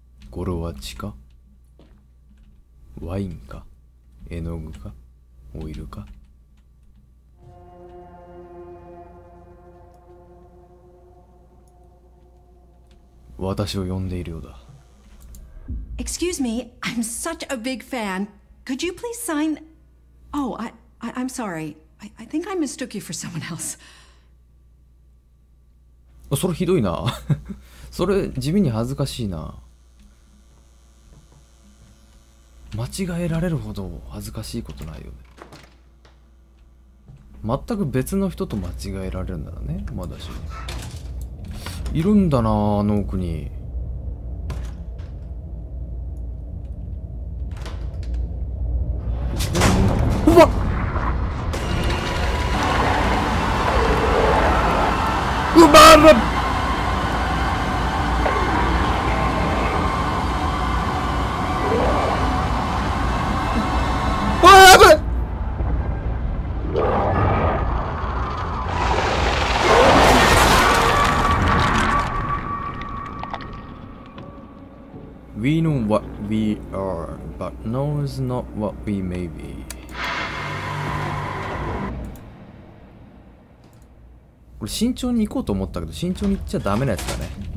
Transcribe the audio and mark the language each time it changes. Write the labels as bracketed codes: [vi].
[ja] ゴロワチか、ワインか、絵の具か、オイルか。私を呼んでいるようだ。 [en] Excuse me, I'm such a big fan. Could you please sign? Oh, I'm sorry. I think I mistook you for someone else. [ja] それひどいな。それ地味に恥ずかしいな。間違えられるほど恥ずかしいことないよね。全く別の人と間違えられるならね、まだし。いるんだな、あの奥に。 [en] We know what we are, but now is not what we may be. [ja] これ慎重に行こうと思ったけど、慎重に行っちゃダメなやつだね。